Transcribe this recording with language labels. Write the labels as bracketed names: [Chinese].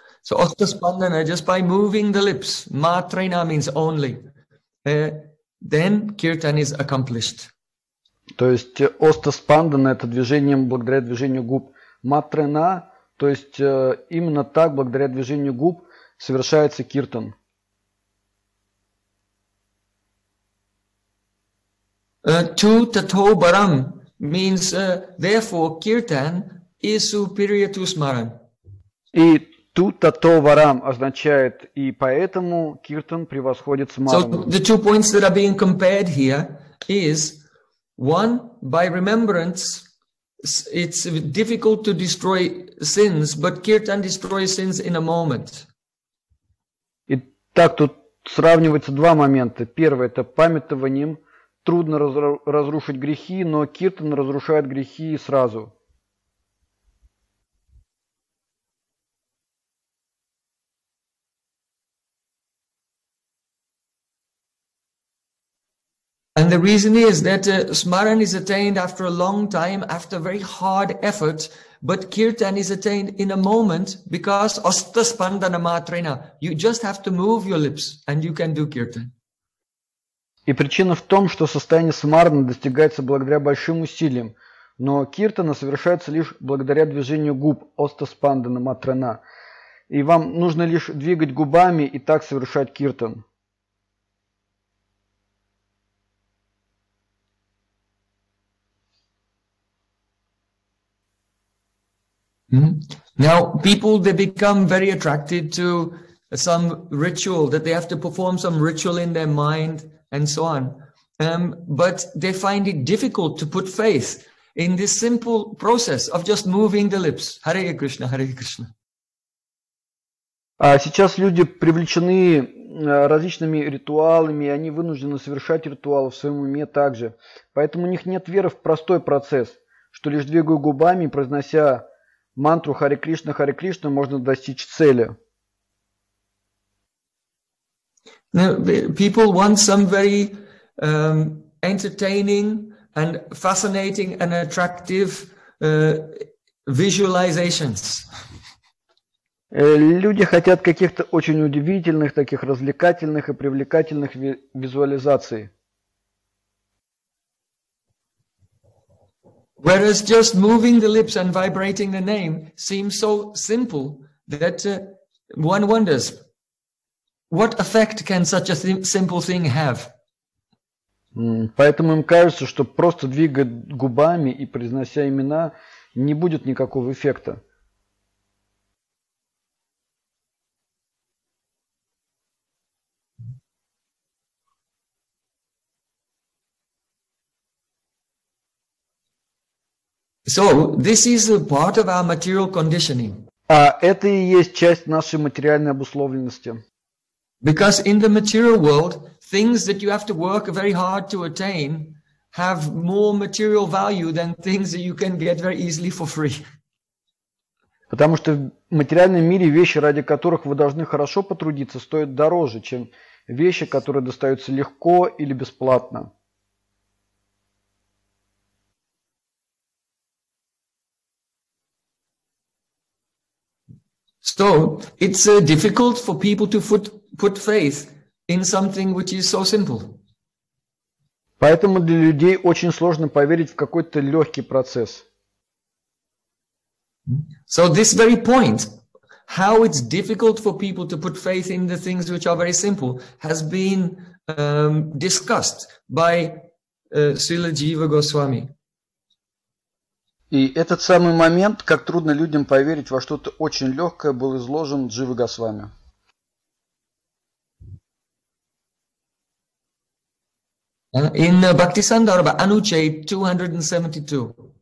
[English] So osta spandana, just by moving the lips, matrena means only, then kirtan is accomplished. [Russian] То есть osta spandana – это движением благодаря движению губ. Matrena – то есть именно так, благодаря движению губ, совершается киртан. [English] Tu tato baram means, therefore, kirtan is superior to smaran. [Russian] И тут-то-варам означает, и поэтому киртан превосходит смарану. [English] So the two points that are being compared here is, one, by remembrance, it's difficult to destroy sins, but kirtan destroys sins in a moment. [Russian] И так тут сравниваются два момента. Первое – это памятованием. Трудно разрушить грехи, но киртан разрушает грехи сразу. [English] And the reason is that smaran is attained after a long time, after very hard effort, but kirtan is attained in a moment because ostaspandana matrena. You just have to move your lips and you can do kirtan. [Russian] И причина в том, что состояние смарана достигается благодаря большим усилиям, но киртана совершается лишь благодаря движению губ ostaspandana matrena. И вам нужно лишь двигать губами и так совершать киртан. [English] Now, people, they become very attracted to some ritual, that they have to perform some ritual in their mind and so on. But they find it difficult to put faith in this simple process of just moving the lips. Hare Krishna, Hare Krishna. [Russian] Сейчас люди привлечены различными ритуалами, и они вынуждены совершать ритуалы в своем уме также. Поэтому у них нет веры в простой процесс, что лишь двигаю губами, произнося мантру Харе Кришна, Харе Кришна, можно достичь цели. [English] Now, people want some very entertaining and fascinating and attractive visualizations. [Russian] Люди хотят каких-то очень удивительных, таких развлекательных и привлекательных визуализаций. [English] Whereas just moving the lips and vibrating the name seems so simple that one wonders, what effect can such a simple thing have? [Russian] Поэтому им кажется, что просто двигать губами и произнося имена не будет никакого эффекта. [English] So this is a part of our material conditioning. [Russian] Это и есть часть нашей материальной обусловленности. [English] Because in the material world, things that you have to work very hard to attain have more material value than things that you can get very easily for free. [Russian] Потому что в материальном мире вещи, ради которых вы должны хорошо потрудиться, стоят дороже, чем вещи, которые достаются легко или бесплатно. [English] So it's difficult for people to put faith in something which is so simple. [Russian] Поэтому для людей очень сложно поверить в какой-то легкий процесс. [English] So this very point, how it's difficult for people to put faith in the things which are very simple, has been discussed by [Russian] Сила Джива Госвами. И этот самый момент, как трудно людям поверить во что-то очень легкое, был изложен Джива Госвами. [English] In Bhakti Sandarbha, Anuchet 272.